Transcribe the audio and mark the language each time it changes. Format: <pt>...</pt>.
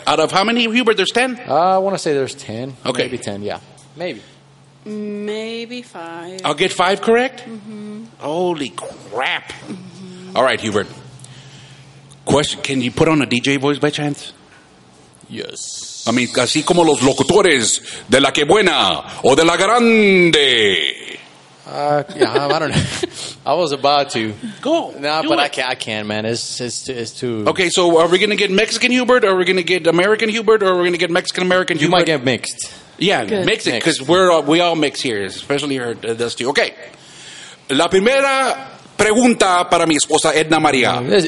<en>Out of how many, Hubert? There's 10? I want to say there's 10. Okay. Maybe 10, yeah. Maybe. Maybe 5. I'll get 5 correct? Mm-hmm. Holy crap. Mm-hmm. All right, Hubert. Question, can you put on a DJ voice by chance? Yes. I mean,</en> <es>así como los locutores de la que buena o de la grande.</es> <en>I don't know. I was about to. Cool. No, but it. I can't, man. It's too. Okay, so are we going to get Mexican Hubert, or are we going to get American Hubert, or are we going to get Mexican American Hubert? You might get mixed. Yeah, good. Mix it, because we all mix here, especially her, those two. Okay.</en> <es>La primera pregunta para mi esposa Edna María.</es>